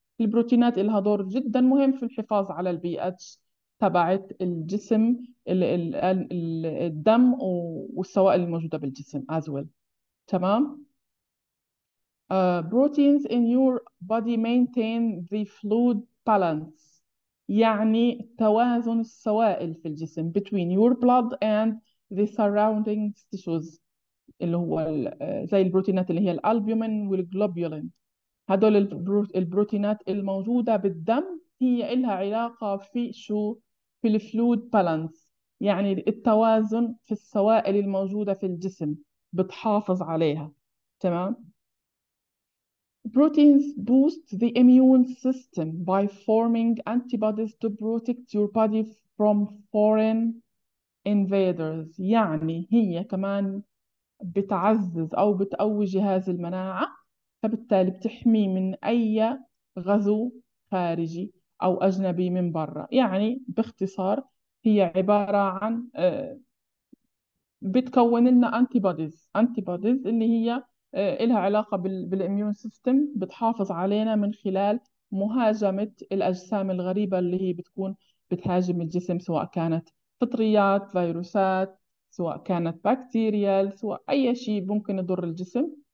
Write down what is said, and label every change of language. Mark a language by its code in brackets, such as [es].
[ar] البروتينات لها دور جدا مهم في الحفاظ على البي اتش تبعت الجسم، الدم والسوائل الموجوده بالجسم [en] as well. [ar] تمام. [en] Proteins in your body maintain the fluid balance. [ar] يعني توازن السوائل في الجسم [en] between your blood and the surrounding tissues. [ar] اللي هو زي البروتينات اللي هي الألبومين والجلوبيولين. هدول البروتينات الموجودة بالدم هي إلها علاقة في شو؟ في الفلويد بالانس. يعني التوازن في السوائل الموجودة في الجسم بتحافظ عليها. تمام؟ [en] Proteins boost the immune system by forming antibodies to protect your body from foreign invaders. [ar] يعني هي كمان بتعزز أو بتقوي جهاز المناعة، فبالتالي بتحمي من أي غزو خارجي أو أجنبي من برا. يعني باختصار هي عبارة عن بتكون لنا أنتيبوديز، أنتيبوديز اللي هي إلها علاقة بالإميون سيستم، بتحافظ علينا من خلال مهاجمة الأجسام الغريبة اللي هي بتكون بتهاجم الجسم، سواء كانت فطريات، فيروسات، سواء كانت بكتيريا، سواء أي شيء ممكن يضر الجسم.